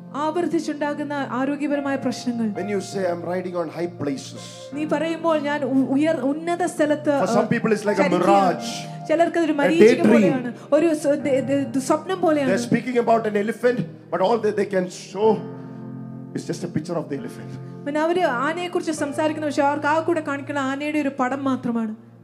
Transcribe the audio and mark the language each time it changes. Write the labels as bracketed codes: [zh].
[ml] ആവർത്തിച്ചുണ്ടാകുന്ന ആരോഗ്യപരമായ പ്രശ്നങ്ങൾ. [en] When you say I'm riding on high places. [ml] നീ പറയുമ്പോൾ ഞാൻ ഉയർന്ന ഉന്നത സ്ഥലത്ത്. [en] For some people it's like a mirage. [ml] ചിലർക്ക് ഒരു മരീചിക പോലെയാണ്. ഒരു സ്വപ്നം പോലെയാണ്. [en] They're speaking about an elephant, but all that they can show is just a picture of the elephant. [ml] പിന്നെ അവർ ആനയെക്കുറിച്ച് സംസാരിക്കുന്ന പക്ഷെ അവർക്ക് ആ കൂടെ കാണിക്കുന്ന ആനയുടെ ഒരു പടം മാത്രമാണ്.